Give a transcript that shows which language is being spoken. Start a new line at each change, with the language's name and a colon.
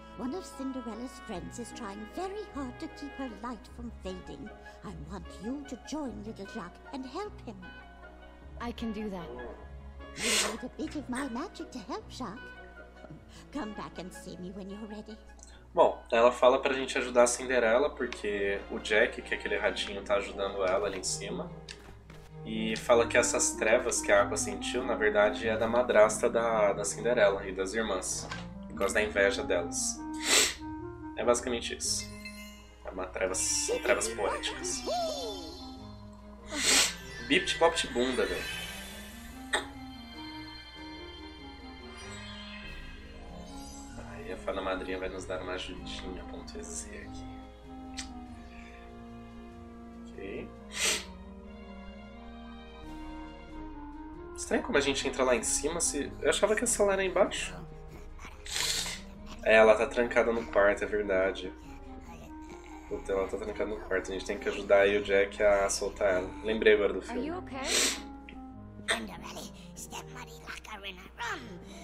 English: One of Cinderella's friends is trying very hard to keep her light from fading. I want you to join little Jacques and help him. I can do that. You need a bit of my magic to help Jacques. Come back and see me when you're ready.
Portuguese: Bom, ela fala pra gente ajudar a Cinderela, porque o Jack, que é aquele ratinho, tá ajudando ela ali em cima. E fala que essas trevas que a água sentiu, na verdade, é da madrasta da Cinderela e das irmãs. Por causa da inveja delas. É basicamente isso. É uma trevas poéticas. Bip pop de bunda, velho. Aí a fada madrinha vai nos dar uma ajudinha, ponto Z aqui. Ok. Estranho como a gente entra lá em cima se... Eu achava que a sala era embaixo. É, ela tá trancada no quarto, é verdade. Puta, ela tá trancada no quarto. A gente tem que ajudar aí o Jack a soltar ela. Lembrei agora do filme. Você está bem?
English: Underbelly, stepmother, lock her in a room.